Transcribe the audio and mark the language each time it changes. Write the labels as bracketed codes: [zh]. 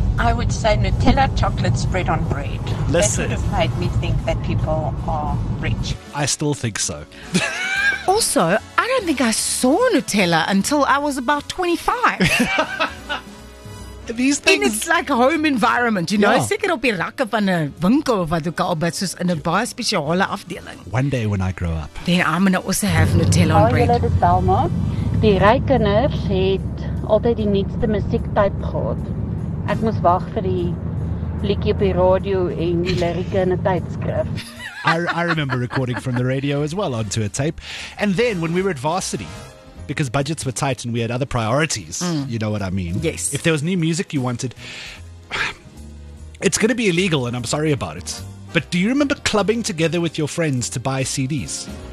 [en] I would say Nutella chocolate spread on bread. Listen. That would have made me think that people are rich. I still think so. Also, I don't think I saw Nutella until I was about 25. These things. In its like home environment, you know. [af] Seker op die rakke van 'n winkel of wat ook al, but soos in 'n baie spesiale afdeling. [en] One day when I grow up. Then I'm going to also have Nutella on bread. [af] Hallo, dit is Selma. Die ryk kinders het altyd die nuutste musiektyp gehad. Ek moes wag vir die liedjie op die radio en die lirieke in 'n tydskrif. [en] I remember recording from the radio as well onto a tape. And then when we were at varsity, because budgets were tight and we had other priorities. You know what I mean? Yes. If there was new music you wanted, it's going to be illegal and I'm sorry about it. But do you remember clubbing together with your friends to buy CDs?